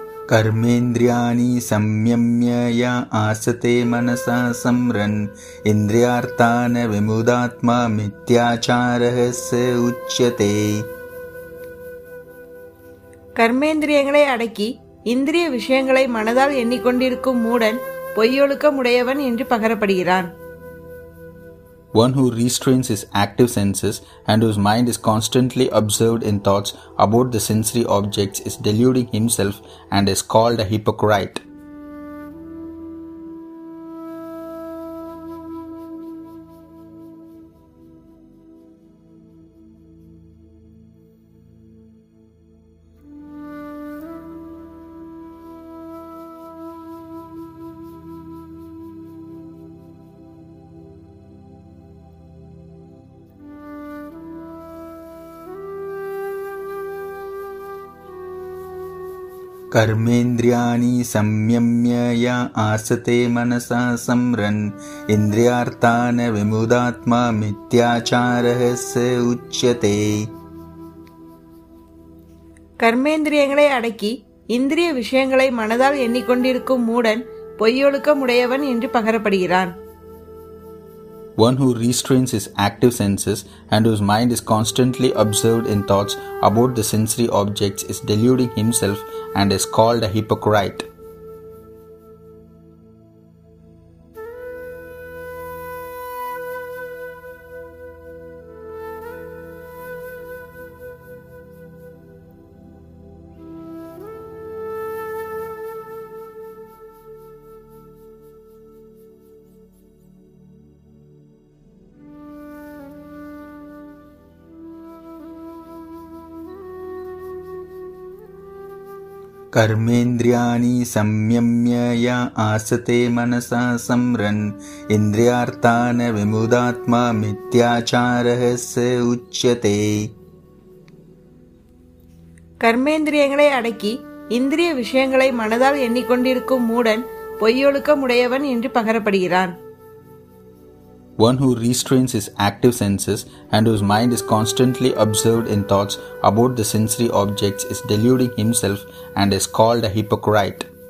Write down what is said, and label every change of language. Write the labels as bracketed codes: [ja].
[sa] கர்மேந்திரியாணி சம்யம்யா ஆசதே மனசா சம்ரன் இந்திரியார்த்தான விமுதாத்மா மித்யாச்சாரஸ உச்சதே. [ta] கர்மேந்திரியங்களை அடக்கி இந்திரிய விஷயங்களை மனதால் எண்ணிக்கொண்டிருக்கும் மூடன் பொய்யொழுக்கமுடையவன் என்று பகரப்படுகிறான். [en] One who restrains his active senses and whose mind is constantly absorbed in thoughts about the sensory objects is deluding himself and is called a hypocrite. [sa] கர்மேந்திரியாணி சம்யம்யா ஆசதே மனசா சம்ரன் இந்திரியார்த்தான விமுதாத்மா மித்யாச்சாரஸ உச்சதே. [ta] கர்மேந்திரியங்களை அடக்கி இந்திரிய விஷயங்களை மனதால் எண்ணிக்கொண்டிருக்கும் மூடன் பொய்யொழுக்கமுடையவன் என்று பகரப்படுகிறான். [en] One who restrains his active senses and whose mind is constantly absorbed in thoughts about the sensory objects is deluding himself and is called a hypocrite. [sa] கர்மேந்திரியாணி சம்யம்யயா ஆசதே மனசா சம்ரன் இந்திரியார்த்தான விமுதாத்மா மித்யாச்சாரஹஸ உச்சதே. [ta] கர்மேந்திரியங்களை அடக்கி இந்திரிய விஷயங்களை மனதால் எண்ணிக்கொண்டிருக்கும் மூடன் பொய்யொழுக்கமுடையவன் என்று பகரப்படுகிறான். [en] One who restrains his active senses and whose mind is constantly absorbed in thoughts about the sensory objects is deluding himself and is called a hypocrite.